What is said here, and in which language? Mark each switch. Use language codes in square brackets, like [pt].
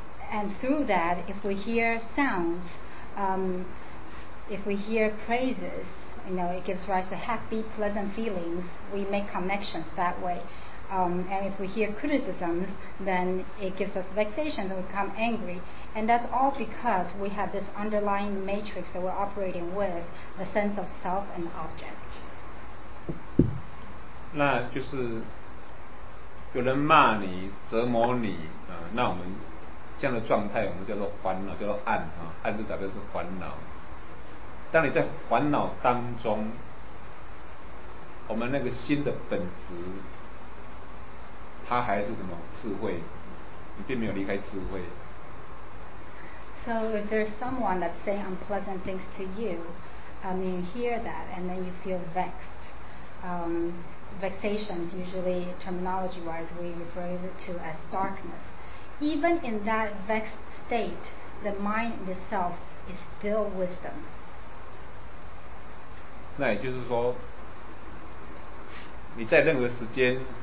[en] And through that, if we hear sounds, if we hear praises, you know, it gives rise to happy, pleasant feelings, we make connections that way. And if we hear criticisms, then it gives us vexation and we become angry. And that's all because we have this underlying matrix that we're operating with, the sense of self and object. [zh] 那就是有人骂你、折磨你、那我们这样的状态我们叫做烦恼，叫做暗、暗就代表是烦恼。当你在烦恼当中，我们那个心的本质它还是什么智慧，你并没有离开智慧。 [en] So if there's someone that's saying unpleasant things to you, you hear that and then you feel vexed. Vexation is usually terminology-wise we refer to as darkness. Even in that vexed state, the mind itself is still wisdom. [zh] 那也就是说，你在任何时间。